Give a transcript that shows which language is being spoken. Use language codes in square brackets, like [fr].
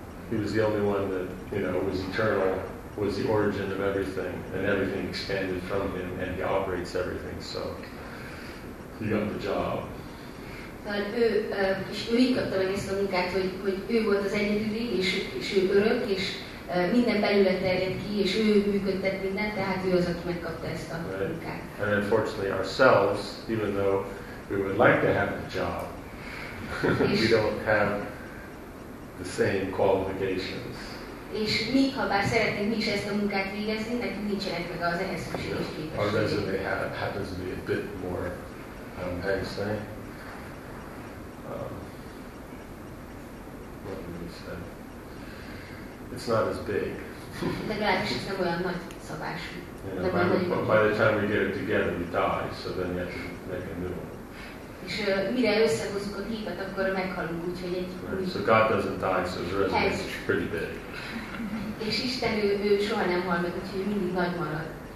[en] He was the only one that, you know, was eternal, was the origin of everything, and everything expanded from him, and he operates everything, so he got the job. [hu] Tehát ő így kapta meg ezt a munkát, hogy ő volt az egyedüli, és ő örök, és minden belőle terjed ki, és ő működtet minden, tehát ő az, aki megkapta ezt a munkát. [en] Right. And unfortunately ourselves, even though we would like to have the job, we don't have the same qualifications. [hu] És mi, ha bár szeretnénk mi is ezt a munkát végezni, nekünk nincsenek meg az ehhez szükséges képességek. [en] Our resume happens to be a bit more, how you say? What do you say? it's not as big. By the time we get it together, we die, so then we have to make a new one. Right. So God doesn't die, so the resonance is pretty big. [hu] És Isten ő soha nem hal meg, úgyhogy mindig nagy marad.